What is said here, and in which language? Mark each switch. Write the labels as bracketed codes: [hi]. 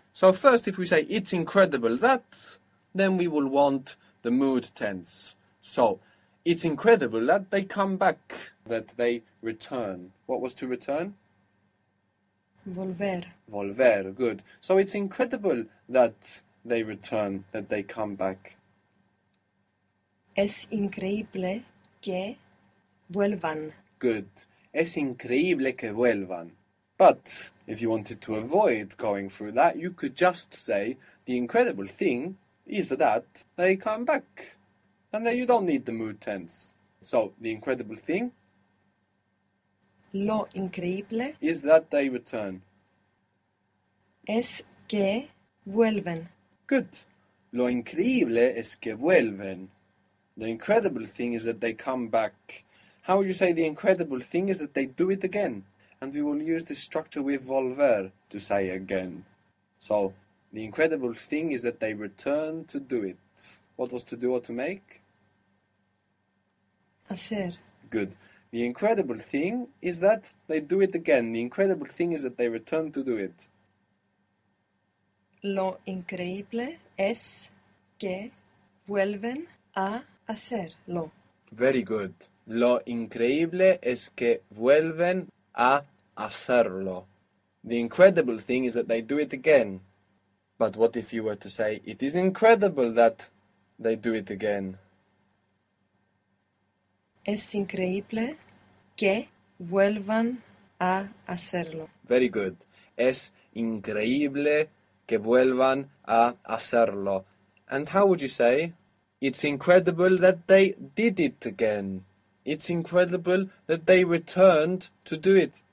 [en] So first, if we say it's incredible that, then we will want the mood tense. So it's incredible that they come back, that they return. What was to return? [es] Volver. [en] Volver, good. So it's incredible that they return, that they come back. [es] Es increíble que vuelvan. [en] Good. [es] Es increíble que vuelvan. [en] But if you wanted to avoid going through that, you could just say, the incredible thing is that they come back. And then you don't need the mood tense. So, the incredible thing... [es] Lo increíble... [en] Is that they return. [es] Es que vuelven. [en] Good. [es] Lo increíble es que vuelven. [en] The incredible thing is that they come back. How would you say the incredible thing is that they do it again? And we will use the structure with volver to say again. So, the incredible thing is that they return to do it. What was to do or to make? [es] Hacer. [en] Good. The incredible thing is that they do it again. The incredible thing is that they return to do it. [es] Lo increíble es que vuelven a hacerlo. [en] Very good. [es] Lo increíble es que vuelven a hacerlo. [en] The incredible thing is that they do it again. But what if you were to say, it is incredible that they do it again? [es] Es increíble que vuelvan a hacerlo. [en] Very good. [es] Es increíble que vuelvan a hacerlo. [en] And how would you say, it's incredible that they did it again? It's incredible that they returned to do it.